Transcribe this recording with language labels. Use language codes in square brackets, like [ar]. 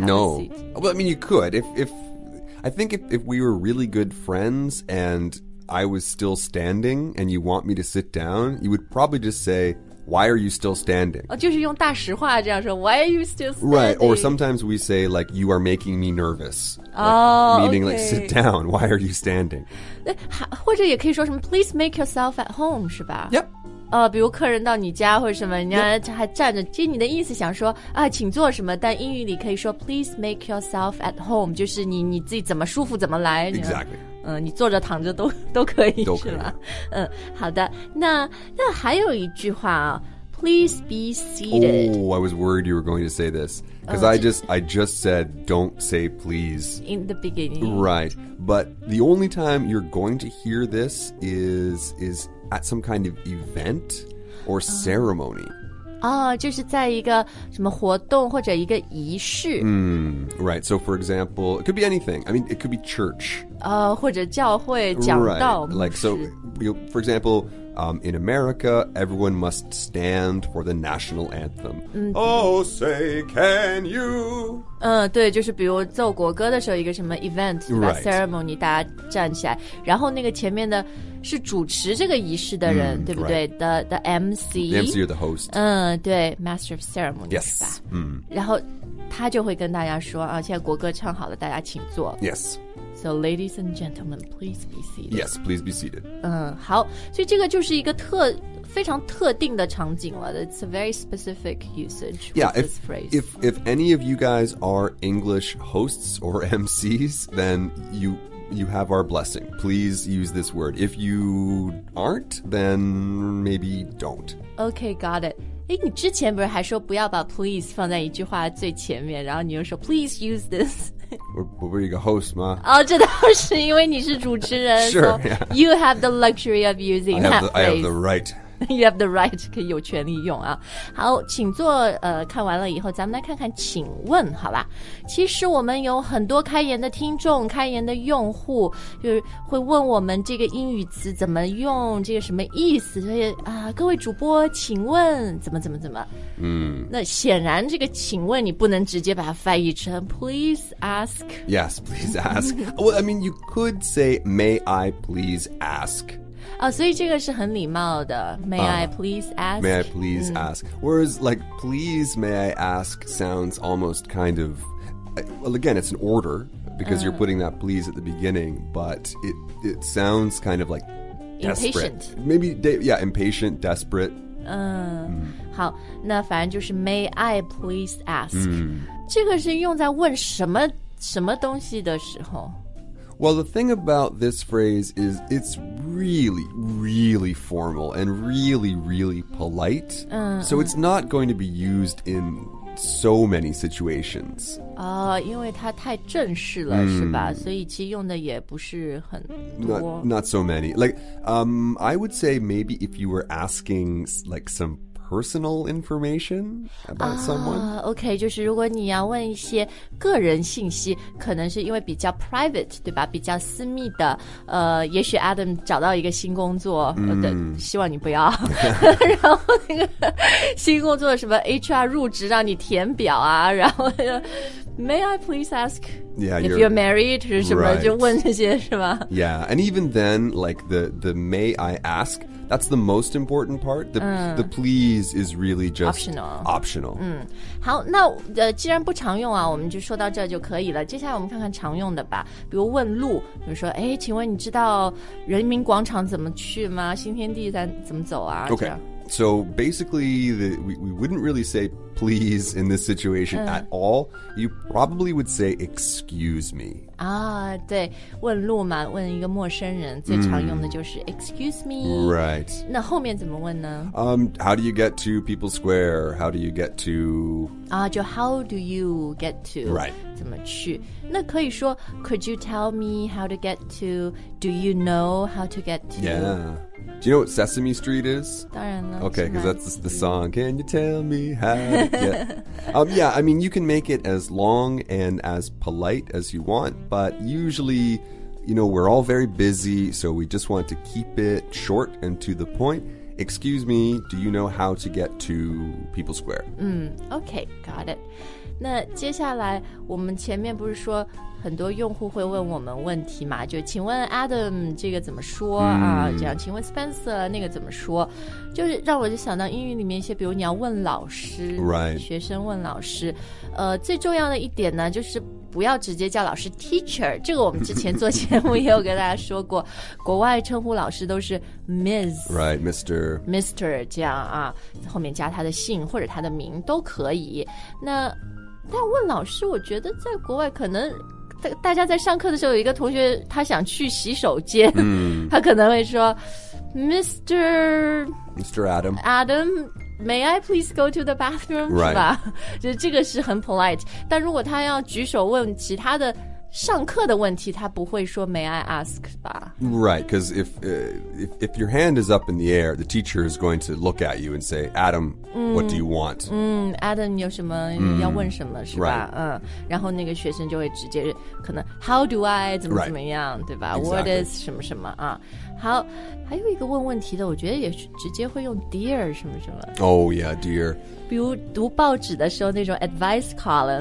[en] no a seat. I mean you could if I think if we were really good friends and I was still standing and you want me to sit down you would probably just say why are you still standing、 [zh] 就是用大实话这样说 [en] why are you still standing right or sometimes we say like you are making me nervous like, meaning、 okay. like sit down why are you standing [zh] 或者也可以说什么 [en] please make yourself at home [zh] 是吧 [en] yep [zh] 比如客人到你家或者什么人家还站着、其实你的意思想说啊请坐什么但英语里可以说 [en] please make yourself at home [zh] 就是你自己怎么舒服怎么来 [en] exactly [zh] 你坐着躺着都可以都可以是吧好的那还有一句话啊 [en] please be seated oh I was worried you were going to say this because I just said don't say please in the beginning right but the only time you're going to hear this is at some kind of event or ceremony. [zh] 就是在一个什么活动或者一个仪式。 [en] Right, so for example, it could be anything. I mean, it could be church. [zh] 或者教会讲道。 [en] Right, like, so, you know, for example, in America, everyone must stand for the national anthem. Oh, say, can you? [zh] 对,就是比如奏国歌的时候一个什么 event, 对吧 [en] right. [zh] ceremony, 大家站起来。然后那个前面的是主持这个仪式的人、对不对、 [en] right. the MC the MC or the host 对 Master of Ceremony yes [zh] 是吧然后他就会跟大家说啊，现在国歌唱好了大家请坐 [en] yes so ladies and gentlemen please be seated yes please be seated [zh] 好所以这个就是一个非常特定的场景了 [en] it's a very specific usage yeah, with this phrase if any of you guys are English hosts or MCs then you you have our blessing. Please use this word. If you aren't, then maybe don't. Okay, got it. [zh] 诶，你之前不是还说不要把 please 放在一句话最前面，然后你又说 [en] please use this。 [zh] 我不是一个 host 吗？哦，这倒是因为你是主持人。 [en] Sure, so you have the luxury of using that phrase. I have the right. You have the right, [zh] 可以有权利用啊。好，请坐，看完了以后，咱们来看看请问，好吧。其实我们有很多开言的听众，开言的用户，就是会问我们这个英语词怎么用，这个什么意思，所以啊，各位主播，请问怎么。那显然这个请问你不能直接把它翻译成 [en] please ask. Yes, please ask. Well, I mean, you could say, may I please ask? [zh] Oh, 所以这个是很礼貌的 [en] May I please ask? May I please ask? Whereas, like, please may I ask sounds almost kind of... Well, again, it's an order, because you're putting that please at the beginning, but it sounds kind of like desperate. Impatient. Maybe, yeah, impatient, desperate. [zh] 好，那反正就是 [en] may I please ask. [zh] 这个是用在问什么东西的时候。 [en] Well, the thing about this phrase is it's really, really formal and really, really polite. So it's not going to be used in so many situations. [zh] Oh, 因为它太正式了是吧？所以其实用的也不是很多。 [en] Not so many. Like, I would say maybe if you were asking like some personal information about someone. [zh] Okay, 就是如果你要问一些个人信息，可能是因为比较 private, 对吧？比较私密的。也许 Adam 找到一个新工作，希望你不要。然后那个新工作什么 HR 入职让你填表啊，然后 [en] May I please ask if you're married [zh] 是什么？就问这些是吧 [en] ？Yeah, and even then, like the May I ask. That's the most important part. The please is really just optional. [zh] 好，那既然不常用啊，我们就说到这就可以了。接下来我们看看常用的吧，比如问路，比如说，哎，请问你知道人民广场怎么去吗？新天地咱怎么走啊 [en] ？Okay. So basically, we wouldn't really say please in this situation at all. You probably would say excuse me. [zh] 啊，对，问路嘛，问一个陌生人，最常用的就是excuse me. [en] Right. [zh] 那后面怎么问呢？ [en] How do you get to People Square? How do you get to? 啊，就 how do you get to? Right. [zh] 怎么去？那可以说 [en] could you tell me how to get to? Do you know how to get to? Yeah. Do you know what Sesame Street is? [zh] 当然了。 [en] Okay, because that's the song. Can you tell me how to get... yeah, I mean, you can make it as long and as polite as you want, but usually, you know, we're all very busy, so we just want to keep it short and to the point. Excuse me, do you know how to get to People Square? Okay, got it. [zh] 那接下来我们前面不是说很多用户会问我们问题嘛，就请问 Adam 这个怎么说啊？这样，请问 Spencer 那个怎么说？就是让我就想到英语里面一些，比如你要问老师， [en] right. [zh] 学生问老师，最重要的一点呢，就是不要直接叫老师 teacher。这个我们之前做节目也有跟大家说过，国外称呼老师都是 Ms. [en] Right, Mr. Mr. [zh] 这样啊，后面加他的姓或者他的名都可以。那但问老师，我觉得在国外可能。大家在上课的时候有一个同学他想去洗手间他可能会说 Mr. [en] Adam, may I please go to the bathroom,、 right. [zh] 是吧就这个是很 polite, 但如果他要举手问其他的上课的问题他不会说 [en] may I ask [zh] 吧 [en] Right, because if your hand is up in the air, the teacher is going to look at you and say, Adam, what do you want? [zh] Adam, 有什么要问什么是吧、 [en] right. [zh] 然后那个学生就会直接可能 [en] how do I [zh] 怎么怎么样、 [en] right. [zh] 对吧、 [en] exactly. what is [zh] 什么什么啊好还有一个问问题的我觉得也直接会用 dear 什么什么 [en] Oh yeah, dear [zh] 比如读报纸的时候那种 advice column.